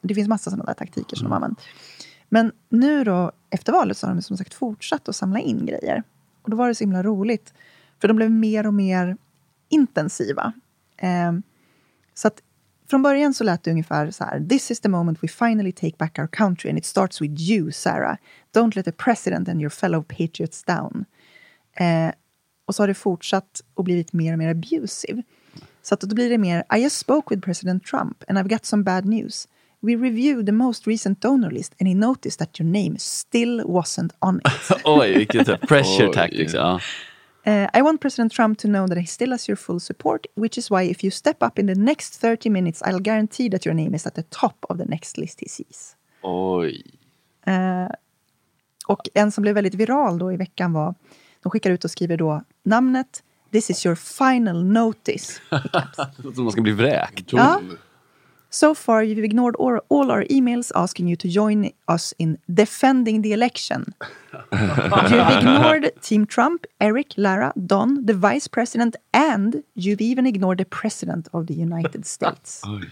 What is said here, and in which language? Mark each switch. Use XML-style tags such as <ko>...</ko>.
<sv>Det finns massa sådana där taktiker som de använt. Men nu då, efter valet, så har de som sagt fortsatt att samla in grejer. Och då var det så himla roligt. För de blev mer och mer intensiva. Så att från början så lät det ungefär så här:</sv> <en>this is the moment we finally take back our country and it starts with you, Sarah. Don't let the president and your fellow patriots down.</en> <sv>Och så har det fortsatt och blivit mer och mer abusive. Så att då blir det mer,</sv> <en>I just spoke with President Trump and I've got some bad news. We reviewed the most recent donor list and he noticed that your name still wasn't on it.</en> <sv>Oj, vilket pressure tactics. Yeah.</sv> <en>I want President Trump to know that he still has your full support, which is why if you step up in the next 30 minutes, I'll guarantee that your name is at the top of the next list he sees.</en> <sv>Oj. Och en som blev väldigt viral då i veckan var, de skickar ut och skriver då namnet,</sv> <en>this is your final notice.</en> <sv>Som man ska bli vräkt. Ja.</sv> <en>So far you've ignored all our emails asking you to join us in defending the election. You've ignored Team Trump, Eric, Lara, Don, the vice president, and you've even ignored the president of the United States.</en>